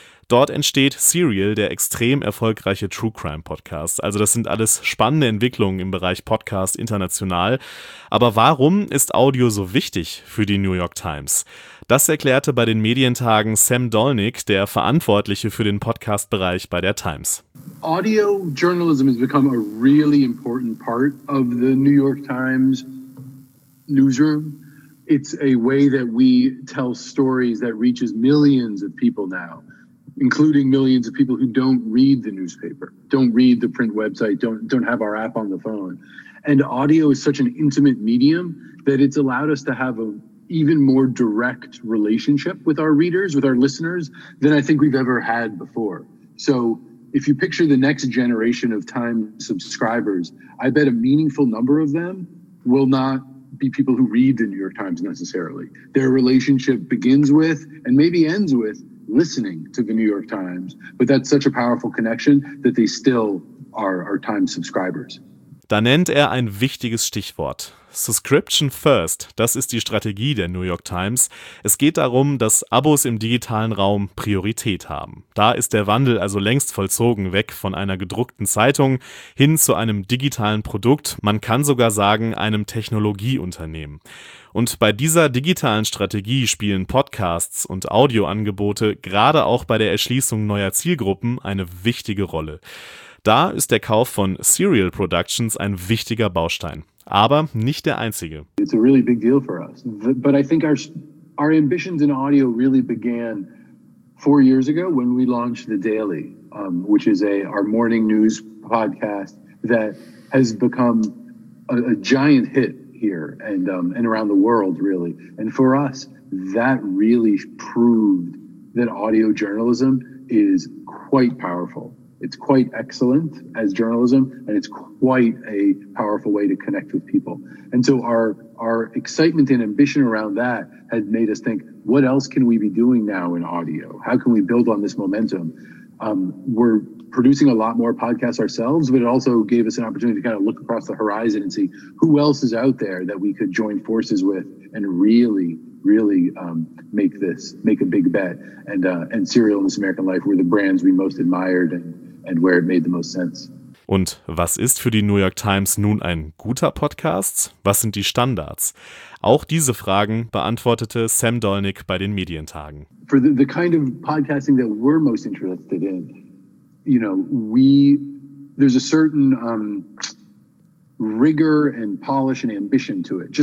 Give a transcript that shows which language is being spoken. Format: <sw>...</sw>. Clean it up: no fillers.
<de>Dort entsteht Serial, der extrem erfolgreiche True-Crime-Podcast. Also das sind alles spannende Entwicklungen im Bereich Podcast international. Aber warum ist Audio so wichtig für die New York Times? Das erklärte bei den Medientagen Sam Dolnick, der Verantwortliche für den Podcast-Bereich bei der Times.</de> <en>Audio journalism has become a really important part of the New York Times newsroom. It's a way that we tell stories that reaches millions of people now. including millions of people who don't read the newspaper, don't read the print website, don't have our app on the phone. And audio is such an intimate medium that it's allowed us to have an even more direct relationship with our readers, with our listeners, than I think we've ever had before. So if you picture the next generation of Time subscribers, I bet a meaningful number of them will not be people who read the New York Times necessarily. Their relationship begins with, and maybe ends with, listening to the New York Times. But that's such a powerful connection that they still are Time subscribers.</en> <de>Da nennt er ein wichtiges Stichwort.</de> <en>Subscription first,</en> <de>das ist die Strategie der New York Times. Es geht darum, dass Abos im digitalen Raum Priorität haben. Da ist der Wandel also längst vollzogen, weg von einer gedruckten Zeitung hin zu einem digitalen Produkt, man kann sogar sagen einem Technologieunternehmen. Und bei dieser digitalen Strategie spielen Podcasts und Audioangebote gerade auch bei der Erschließung neuer Zielgruppen eine wichtige Rolle. Da ist der Kauf von Serial Productions ein wichtiger Baustein, aber nicht der einzige.</de> <en>It's a really big deal for us. But I think our ambitions in audio really began 4 years ago when we launched The Daily, which is our morning news podcast that has become a giant hit here and around the world, really. And for us, that really proved that audio journalism is quite powerful. It's quite excellent as journalism, and it's quite a powerful way to connect with people. And so our excitement and ambition around that had made us think, what else can we be doing now in audio? How can we build on this momentum? We're producing a lot more podcasts ourselves, but it also gave us an opportunity to kind of look across the horizon and see who else is out there that we could join forces with and really, really make a big bet. And Serial and This American Life were the brands we most admired and where it made the most sense.</en> <de>Und was ist für die New York Times nun ein guter Podcast? Was sind die Standards? Auch diese Fragen beantwortete Sam Dolnick bei den Medientagen.</de> <en>For the kind of podcasting that we're most interested in, you know, there's a certain rigor and polish and ambition to it.</en>